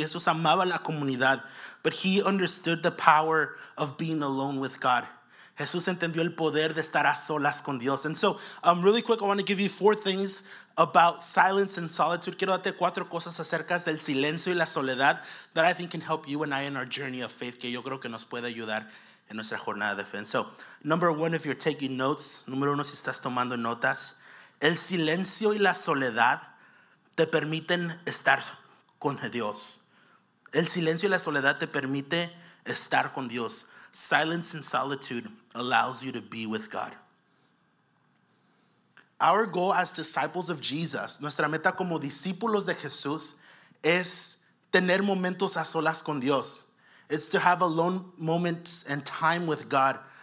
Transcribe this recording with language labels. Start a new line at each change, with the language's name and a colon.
Spanish: Jesús amaba la comunidad,
English: but he understood the power of being alone with God.
Spanish: Jesús entendió el poder de estar a solas con Dios.
English: And so, really quick, I want to give you four things about silence and solitude.
Spanish: Quiero darte cuatro cosas acerca del silencio y la soledad
English: that I think can help you and I in our journey of faith,
Spanish: que yo creo que nos puede ayudar en nuestra jornada de fe.
English: And so, number one, if you're taking notes,
Spanish: número uno, si estás tomando notas, el silencio y la soledad te permiten estar con Dios. El silencio y la soledad te permite estar con Dios.
English: Silence and solitude allows you to be with God. Our goal as disciples of Jesus,
Spanish: nuestra meta como discípulos de Jesús, es tener momentos a solas con Dios.
English: It's to have alone moments and time with God.